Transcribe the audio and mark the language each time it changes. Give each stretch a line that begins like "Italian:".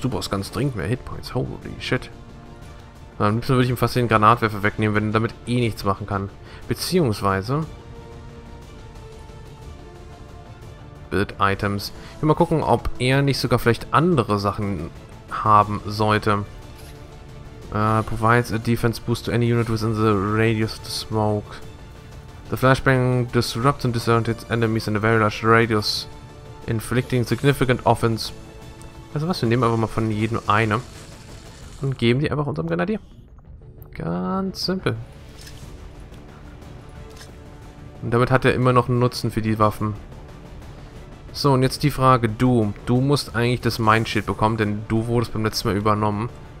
German: Du brauchst ganz dringend mehr Hitpoints.
English: Holy shit.
German: Am liebsten würde ich ihm fast den Granatwerfer wegnehmen, wenn er damit eh nichts machen kann. Beziehungsweise...
English: Build Items.
German: Ich will mal gucken, ob er nicht sogar vielleicht andere Sachen haben sollte.
English: Provides a defense boost to any unit within the radius of the smoke. The flashbang disrupts and disorientates enemies in a very large radius, inflicting significant offense.
German: Also was, wir nehmen einfach mal von jedem eine und geben die einfach unserem Grenadier. Ganz simpel. Und damit hat er immer noch einen Nutzen für die Waffen. So, und jetzt die Frage, du. Du musst eigentlich das Mindshield bekommen, denn du wurdest beim letzten Mal übernommen.